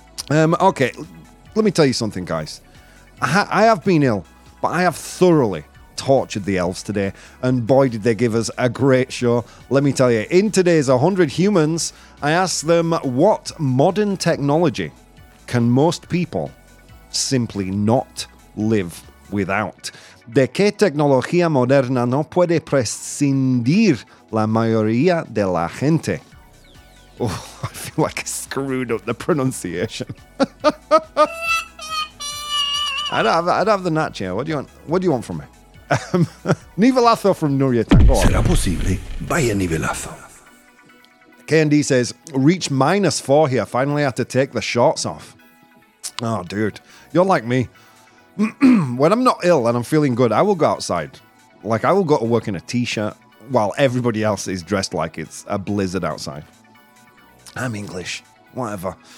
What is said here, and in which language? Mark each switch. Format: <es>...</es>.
<en>Okay, let me tell you something, guys. I have been ill, but I have thoroughly tortured the elves today, and boy did they give us a great show. Let me tell you, in today's 100 humans, I asked them what modern technology can most people simply not live without.</en> <es>¿De qué tecnología moderna no puede prescindir la mayoría de la gente?</es> <en>Oh, I feel like I screwed up the pronunciation. I don't have the natch here. What do you want from me? Nivelazo from Nuriatam.</en> <es>Será posible, vaya nivelazo.</es> <en>KND says, reach minus 4 here. Finally had to take the shorts off. Oh, dude. You're like me. When I'm not ill and I'm feeling good, I will go outside. Like, I will go to work in a t-shirt while everybody else is dressed like it's a blizzard outside. I'm English. Whatever.</en>